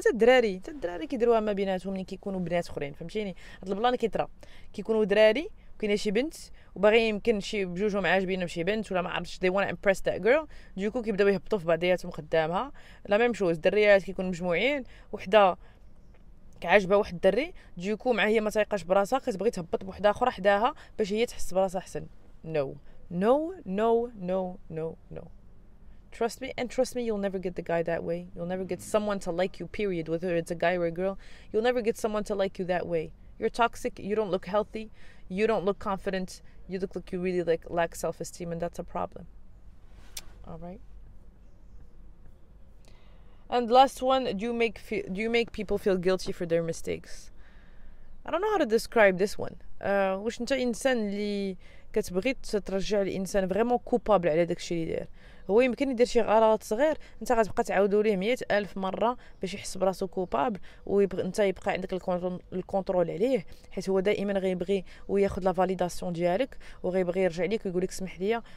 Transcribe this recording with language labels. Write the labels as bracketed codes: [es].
[ar] حتى الدراري كيديروها ما بيناتهم ملي كيكونوا بنات اخرين، فهمتيني؟ هاد البلان كيطرى كيكونوا دراري وكاينه شي بنت وباغي يمكن شي بجوجهم عاجبينهم شي بنت ولا ما عرفتش، [en] they want to impress that girl، [ar] ديكو كيبداو يهبطوا في بعضياتهم خدامها. لا ميم شوز، الدريات كيكونوا مجموعين، وحده كعاجبه واحد الدري، ديكو مع هي ما تايقاش براسها كتبغي تهبط بوحده اخرى حداها باش هي تحس براسها احسن. [en] No. Trust me, and trust me, you'll never get the guy that way. You'll never get someone to like you, period, whether it's a guy or a girl. You'll never get someone to like you that way. You're toxic, you don't look healthy, you don't look confident, you look like you really like lack self-esteem, and that's a problem. All right. And last one, do you make people feel guilty for their mistakes? I don't know how to describe this one. [ar] واش نتا انسان اللي كتبغي ترجع الانسان فريمون كوبابل على داكشي اللي دار؟ هو يمكن يدير شي غلط صغير، انت غتبقى تعاودوا ليه 100,000 مره باش يحس براسو كوبابل، وانت يبقى عندك الكونترول عليه، حيت هو دائما غيبغي وياخذ لا فاليداسيون ديالك وغيبغي يرجع لك ويقول لك سمح ليا.